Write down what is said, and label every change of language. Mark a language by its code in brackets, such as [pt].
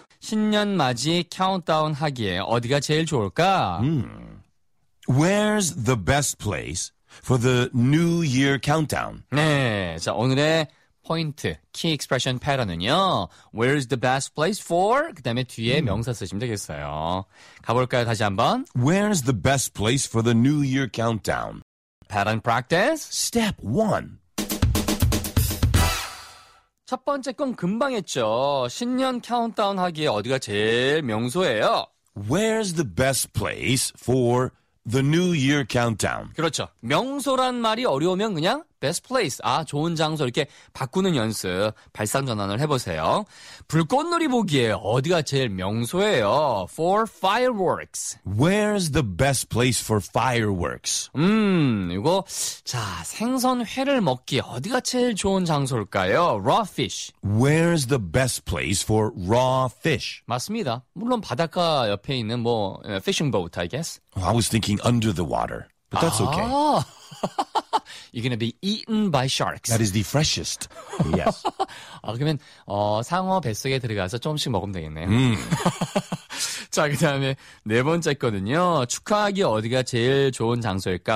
[ko] 신년 맞이 카운트다운 하기에 어디가 제일 좋을까? [en] Where's the best place for the New Year countdown? [ko] 네, 자 오늘의 포인트, [en] key expression [ko] 패턴은요. [en] Where's the best place for? [ko] 그 다음에 뒤에 명사 쓰시면 되겠어요. 가볼까요, 다시 한번? [en] Where's the best place for the New Year countdown? Pattern practice. Step 1. [ko] 첫 번째 건 금방 했죠. 신년 카운트다운 하기에 어디가 제일 명소예요? [en] Where's the best place for the New Year countdown? [ko] 그렇죠. 명소란 말이 어려우면 그냥 [en] best place, [ko] 아 좋은 장소 이렇게 바꾸는 연습, 발상 전환을 해보세요. 불꽃놀이 보기에 어디가 제일 명소예요? [en] For fireworks. Where's the best place for fireworks? [ko] 이거 자 생선 회를 먹기 어디가 제일 좋은 장소일까요? [en] Raw fish. Where's the best place for raw fish? [ko] 맞습니다. 물론 바닷가 옆에 있는 뭐 [en] fishing boat, I guess. I was thinking under the water, but that's okay. You're going to be eaten by sharks. That is the freshest. Yes. [ko] 아, 그러면 상어 뱃속에 들어가서 조금씩 먹으면 되겠네요. 자, 그 다음에 네 번째 거는요. 축하하기 어디가 제일 좋은 장소일까?